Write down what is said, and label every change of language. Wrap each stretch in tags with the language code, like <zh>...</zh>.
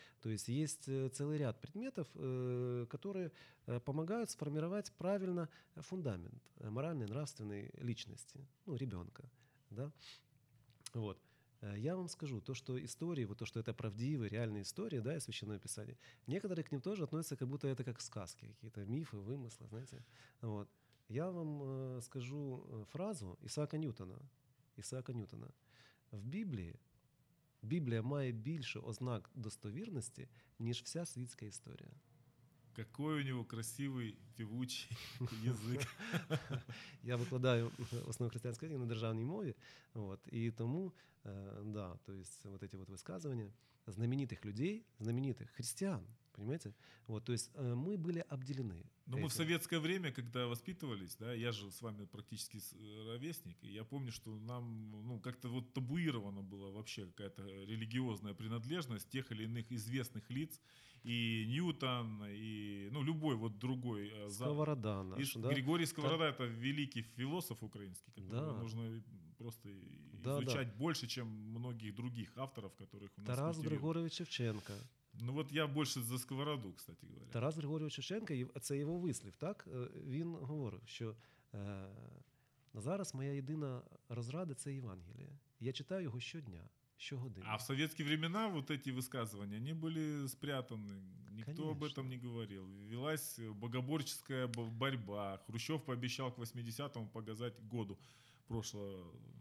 <ru>То есть есть целый ряд предметов, которые помогают сформировать правильно фундамент моральной, нравственной личности, ребенка. Да? Вот. Я вам скажу, то, что истории, вот то, что это правдивые, реальные истории, да, из Священного Писания, некоторые к ним тоже относятся, как будто это как сказки, какие-то мифы, вымыслы, знаете. Вот. Я вам скажу фразу Исаака Ньютона.</ru> <uk>Ісаака Ньютона. В Біблії Біблія має більше ознак достовірності, ніж вся світська історія.</uk> <ru>Какой у него красивый, певучий язык.</ru> <uk>Я викладаю основи християнської книги на державній мові.</uk> <ru>Вот.</ru> <uk>І тому,</uk> <ru>да, то есть вот эти вот высказывания знаменитых людей, знаменитых христиан, понимаете? Вот, то есть мы были обделены. Но мы в советское время, когда воспитывались, да, я же с вами практически ровесник, и я помню, что нам, ну, как-то вот табуирована была вообще какая-то религиозная принадлежность тех или иных известных лиц, и Ньютон, и, ну, любой вот другой. Сковорода наш, да? Григорий Сковорода, это великий философ украинский, которого нужно просто изучать больше, чем многих других авторов, которых у нас Тарас Григорович Шевченко. Ну вот я больше за Сковороду, кстати говоря.</ru> <uk>Тарас Григорович Шевченко, це його вислів, так? Він говорив, що зараз моя єдина розрада – це Євангеліє. Я читаю його щодня, щогодини.</uk> <ru>А в советські времена вот эти высказывания, они были спрятаны.</ru> <uk>Ніхто</uk> <ru>Конечно. Об этом не говорил. Велась богоборческая борьба. Хрущев пообещал к 80-му показать году прошлого.</ru>